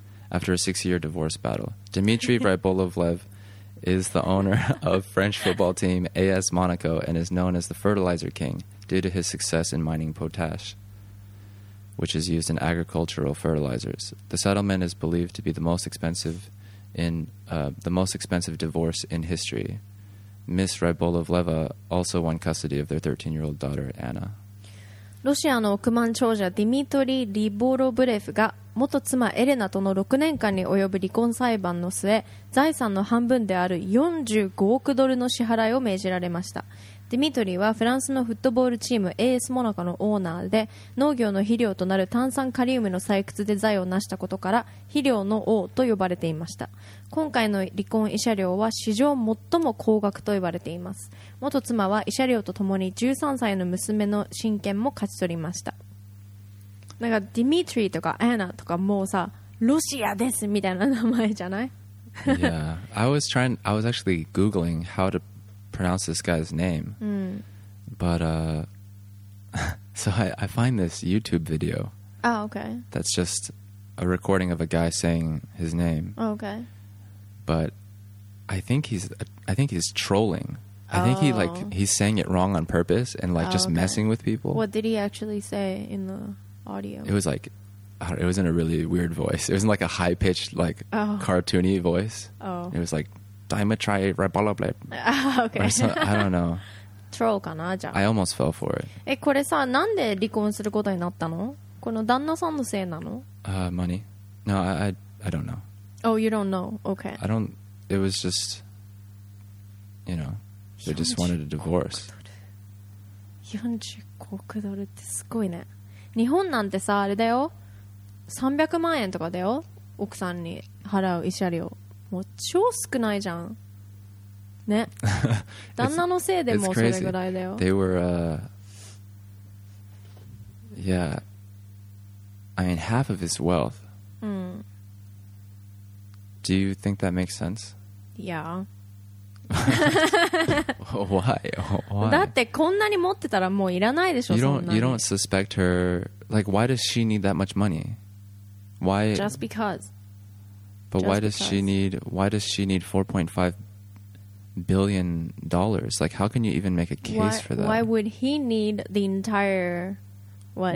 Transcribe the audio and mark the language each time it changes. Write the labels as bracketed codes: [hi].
[en] after a six-year divorce battle. Dmitry Rybolovlev is the owner of French football team AS Monaco and is known as the Fertilizer King due to his success in mining potash, which is used in agricultural fertilizers. The settlement is believed to be the most expensive in divorce in history. Miss Rybolovleva also won custody of their 13-year-old daughter, Anna. [ja] ロシアの億万長者ディミトリー・リボロブレフが元妻エレナとの6年間に及ぶ離婚裁判の末、財産の半分である45億ドルの支払いを命じられました。ディミトリーはフランスのフットボールチーム AS モナカのオーナーで、農業の肥料となる炭酸カリウムの採掘で財を成したことから肥料の王と呼ばれていました。今回の離婚慰謝料は史上最も高額と言われています。元妻は慰謝料とともに13歳の娘の親権も勝ち取りました。なんかディミトリーとかアナとかもうさ、ロシアですみたいな名前じゃない？ [en] Yeah, I was actually googling how toPronounce this guy's name, but so I find this YouTube video. Oh, okay. That's just a recording of a guy saying his name. Oh, okay. But I think he's trolling. Oh. I think he's saying it wrong on purpose and like just messing with people. What did he actually say in the audio? It was like, it was in a really weird voice. It was in like a high pitched like cartoony voice. Oh, it was like. Dimitri Rybolovlev. Okay. So, I don't know. [ja] Troll かなじゃ [en] あ。I almost fell for it. [ja] え、これさ、なんで離婚することになったの？この旦那さんのせいなの？ [en] Money. No, I don't know. Oh, you don't know. Okay. I don't. It was just, you know, they just wanted a divorce. [ja] 45億ドルってすごいね。日本なんてさ、あれだよ。300万円とかだよ。奥さんに払う慰謝料。もう超少ないじゃんね。旦那のせいでもそれぐらいだよ。 [en] They were yeah, I mean half of his wealth. Do you think that makes sense? Yeah. Why? [ja] だってこんなに持ってたらもういらないでしょ。 [en] You don't suspect her. Like, why does she need that much money? Why? Just because. But why does she need $4.5 billion? Like, how can you even make a case for that? Why would he need the entire, what,